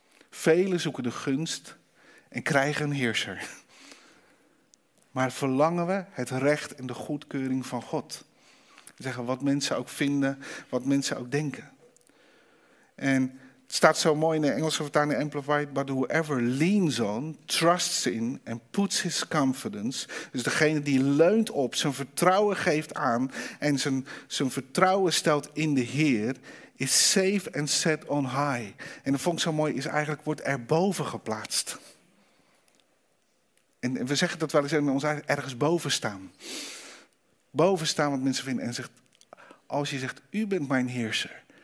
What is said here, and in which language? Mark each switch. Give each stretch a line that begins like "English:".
Dutch: Velen zoeken de gunst en krijgen een heerser. Maar verlangen we het recht en de goedkeuring van God? Zeggen wat mensen ook vinden, wat mensen ook denken. En Het staat zo mooi in de Engelse vertaling Amplified.
English: But whoever leans on, trusts in and puts his confidence.
Dutch: Dus degene die leunt op, zijn vertrouwen geeft aan en zijn vertrouwen stelt in de Heer,
English: is safe and set on high.
Dutch: En dat vond ik zo mooi, is eigenlijk wordt er boven geplaatst. En we zeggen dat wel eens in ons eigen, ergens boven staan. Boven staan wat mensen vinden. En zegt, als je zegt, u bent mijn heerser.